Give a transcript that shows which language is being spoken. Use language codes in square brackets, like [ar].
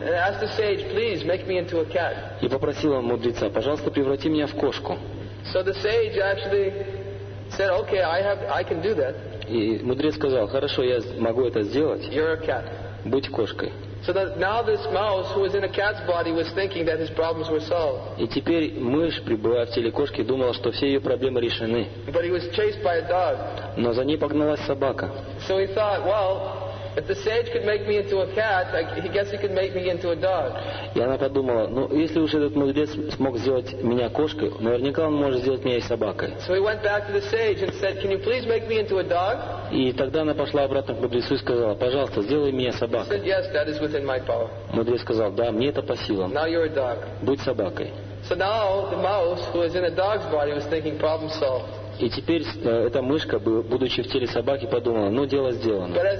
[en] and asked the sage, please make me into a cat. [ru] И попросила мудреца, пожалуйста, преврати меня в кошку. [en] So the sage actually said, okay, I can do that. [ru] И мудрец сказал, хорошо, я могу это сделать. [en] You're a cat. [ru] Будь кошкой. [en] So that now this mouse who was in a cat's body was thinking that his problems were solved. [ru] И теперь мышь, пребывая в теле кошки, думала, что все ее проблемы решены. [en] But he was chased by a dog. [ru] Но за ней погналась собака. [en] So he thought, well, if the sage could make me into a cat, I guess he could make me into a dog. [ru] И она подумала, ну если уж этот мудрец смог сделать меня кошкой, наверняка он может сделать меня и собакой. [en] So he went back to the sage and said, can you please make me into a dog? [ru] И тогда она пошла обратно к мудрецу и сказала, пожалуйста, сделай меня собакой. [en] He said, yes, that is within my power. [ru] Мудрец сказал, да, мне это по силам. [en] Now you're a dog. [ru] Будь собакой. [en] So now the mouse who was in a dog's body was thinking, problem solved. [ru] И теперь эта мышка, будучи в теле собаки, подумала, ну, дело сделано.